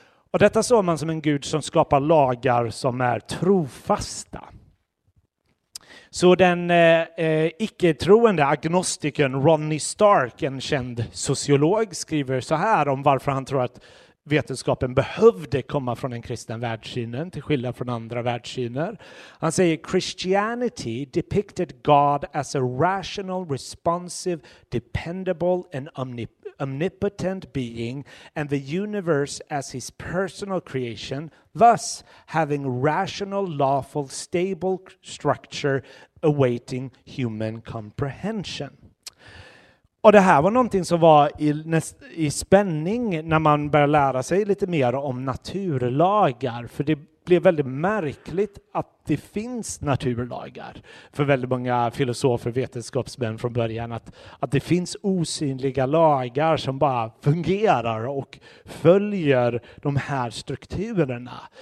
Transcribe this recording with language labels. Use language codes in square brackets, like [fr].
[sv] Och detta såg man som en Gud som skapar lagar som är trofasta. Så den icke-troende agnostiken Ronnie Stark, en känd sociolog, skriver så här om varför han tror att vetenskapen behövde komma från den kristna världssynen till skillnad från andra världssyner. Han säger: [en] Christianity depicted God as a rational, responsive, dependable and omnipotent being and the universe as his personal creation, thus having rational, lawful, stable structure awaiting human comprehension. [sv] Och det här var någonting som var i spänning när man började lära sig lite mer om naturlagar. För det blev väldigt märkligt att det finns naturlagar för väldigt många filosofer och vetenskapsmän från början. Att det finns osynliga lagar som bara fungerar och följer de här strukturerna.